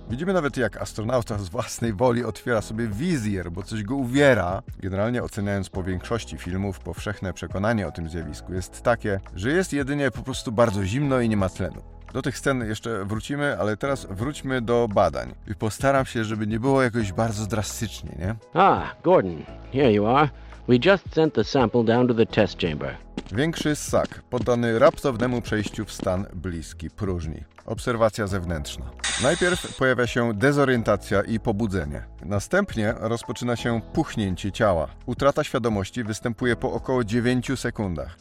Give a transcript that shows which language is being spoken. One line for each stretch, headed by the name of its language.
Polish: Widzimy nawet, jak astronauta z własnej woli otwiera sobie wizjer, bo coś go uwiera. Generalnie oceniając po większości filmów, powszechne przekonanie o tym zjawisku jest takie, że jest jedynie po prostu bardzo zimno i nie ma tlenu. Do tych scen jeszcze wrócimy, ale teraz wróćmy do badań. I postaram się, żeby nie było jakoś bardzo drastycznie, nie?
English: Gordon, here you are. We just sent the sample down to the test chamber.
Polish: Większy ssak poddany raptownemu przejściu w stan bliski próżni. Obserwacja zewnętrzna. Najpierw pojawia się dezorientacja i pobudzenie. Następnie rozpoczyna się puchnięcie ciała. Utrata świadomości występuje po około 9 sekundach.